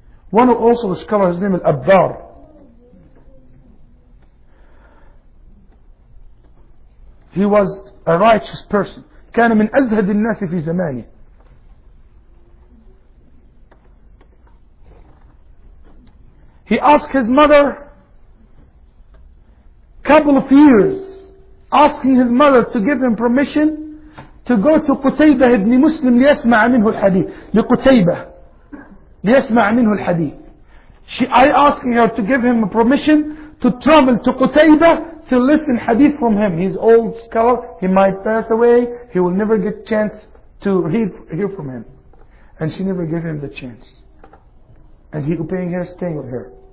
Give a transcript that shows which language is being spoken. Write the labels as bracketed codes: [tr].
[en] One of also the scholars, his name is Abdar. He was a righteous person. [ar] كان من أزهد الناس في زمانه. [en] He asked his mother couple of years, asking his mother to give him permission to go to Qutaybah ibn Muslim [ar] ليسمع منه الحديث. لقتيبه ليسمع منه الحديث. [en] I asking her to give him a permission to travel to Qutaybah to listen hadith from him. He's old scholar. He might pass away. He will never get chance to hear from him. And she never gave him the chance. And he obeying her, staying with her.